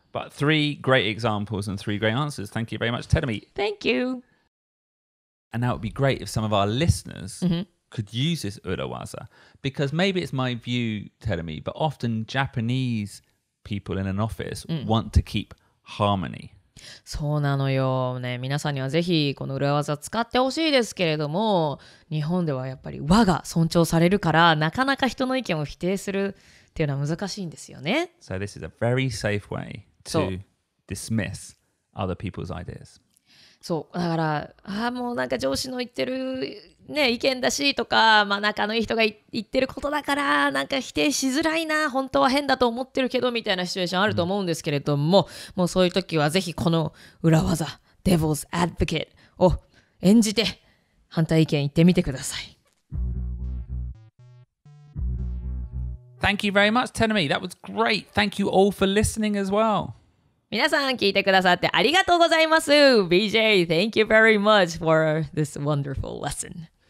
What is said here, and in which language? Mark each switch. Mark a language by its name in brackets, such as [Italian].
[English] But three great examples and three great answers. Thank you very much, Tedemi. Thank you. And that would be great if some of our listeners、mm-hmm. could use this urawaza. Because maybe it's my view, Tedemi, but often Japanese people in an office、mm. want to keep harmony. [Japanese] そうなのよ、ね、皆さんにはぜひこの裏技使ってほしいですけれども、日本ではやっぱり和が尊重されるから、なかなか人の意見を否定するっていうのは難しいんですよね。 [English] So this is a very safe way to dismiss other people's ideas. [Japanese] そうだから、あ、もうなんか上司の言ってる、ね、意見だしとか、まあ、仲のいい人が言ってることだから、なんか否定しづらいな、本当は変だと思ってるけどみたいなシチュエーションあると思うんですけれども、mm-hmm. もうそういう時はぜひこの裏技 Devil's Advocate を演じて反対意見言ってみてください。 [English] Thank you very much, Tenami. That was great. Thank you all for listening as well. [Japanese] 皆さん聞いてくださってありがとうございます。 [English] BJ, thank you very much for this wonderful lesson.